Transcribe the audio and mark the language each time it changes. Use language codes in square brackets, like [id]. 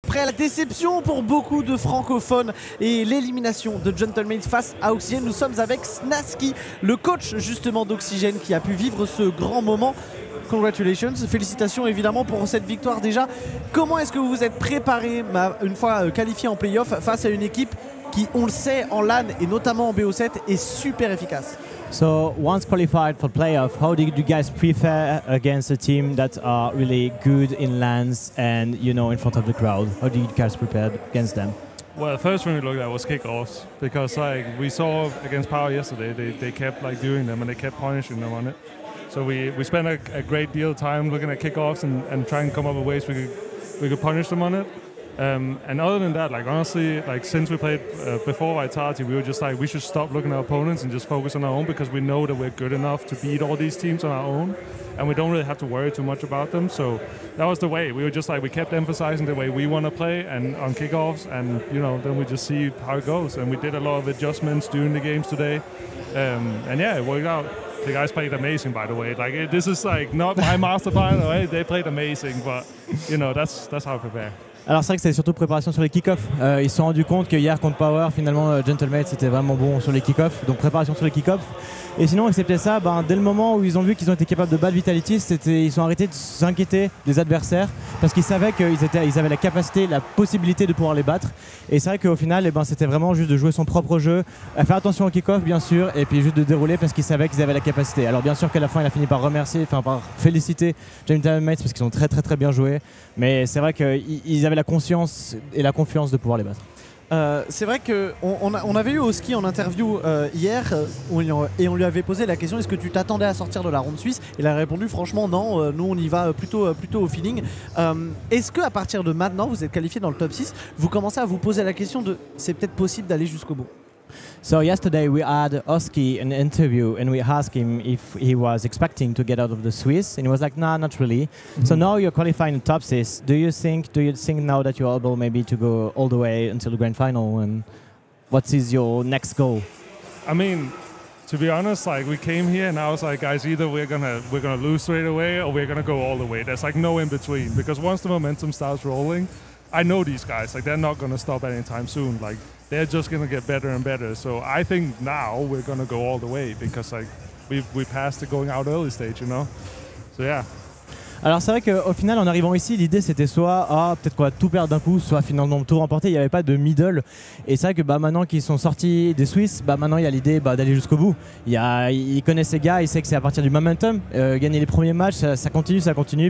[fr] après la déception pour beaucoup de francophones et l'élimination de Gentlemen face à Oxygen, nous sommes avec SNASKI, le coach justement d'Oxygen, qui a pu vivre ce grand moment. Congratulations, félicitations évidemment pour cette victoire déjà. Comment est-ce que vous vous êtes préparé, une fois qualifié en playoff, face à une équipe qui, on le sait, en LAN et notamment en BO7, est super efficace? [en] So once qualified for playoff, how did you guys prepare against a team that are really good in LANs and, you know, in front of the crowd? How did you guys prepare against them? Well, the first thing we looked at was kickoffs, because like we saw against Power yesterday, they kept like doing them and they kept punishing them on it. So we spent a great deal of time looking at kickoffs and trying to come up with ways we could punish them on it. And other than that, like honestly, like since we played before Vitality, we were just like, we should stop looking at opponents and just focus on our own, because we know that we're good enough to beat all these teams on our own and we don't really have to worry too much about them. So that was the way. We were just like, we kept emphasizing the way we want to play and on kickoffs, and you know, then we just see how it goes. And we did a lot of adjustments during the games today. And yeah, it worked out. The guys played amazing, by the way. Like, this is like not my master plan, right? They played amazing, but you know, that's how I prepare. [fr] Alors c'est vrai que c'est surtout préparation sur les kick-offs. Ils se sont rendus compte que hier contre Power, finalement, Gentlemates c'était vraiment bon sur les kick-offs. Donc préparation sur les kick-offs. Et sinon, excepté ça, ben, dès le moment où ils ont vu qu'ils ont été capables de battre Vitality, ils sont arrêtés de s'inquiéter des adversaires, parce qu'ils savaient qu'ils avaient la capacité, la possibilité de pouvoir les battre. Et c'est vrai qu'au final, eh ben, c'était vraiment juste de jouer son propre jeu, à faire attention au kick-off bien sûr, et puis juste de dérouler parce qu'ils savaient qu'ils avaient la capacité. Alors bien sûr qu'à la fin, il a fini par remercier, enfin par féliciter Gentlemates parce qu'ils ont très très très bien joué. Mais c'est vrai qu'ils avaient la conscience et la confiance de pouvoir les battre. C'est vrai qu'on avait eu Oski en interview hier et on lui avait posé la question: est-ce que tu t'attendais à sortir de la ronde suisse? Il a répondu: franchement non, nous on y va plutôt au feeling. Est-ce qu'à partir de maintenant, vous êtes qualifié dans le top 6, vous commencez à vous poser la question de c'est peut-être possible d'aller jusqu'au bout? [en] So yesterday we had Oski an interview and we asked him if he was expecting to get out of the Swiss, and he was like, nah, not really. Mm-hmm. So now you're qualifying in top six. Do you think now that you're able maybe to go all the way until the grand final, and what is your next goal? I mean, to be honest, like we came here and I was like, guys, either we're gonna lose straight away or we're gonna go all the way. There's like no in between, because once the momentum starts rolling, I know these guys, like they're not gonna stop anytime soon. Like, they're just gonna get better and better. So I think now we're gonna go all the way, because like we passed the going out early stage, you know? So yeah. [fr] Alors c'est vrai qu'au final, en arrivant ici, l'idée c'était soit peut-être qu'on va tout perdre d'un coup, soit finalement tout remporter. Il n'y avait pas de middle. Et c'est vrai que maintenant qu'ils sont sortis des Suisses, maintenant il y a l'idée d'aller jusqu'au bout. Il connaît ces gars, il sait que c'est à partir du momentum. Gagner les premiers matchs, ça continue.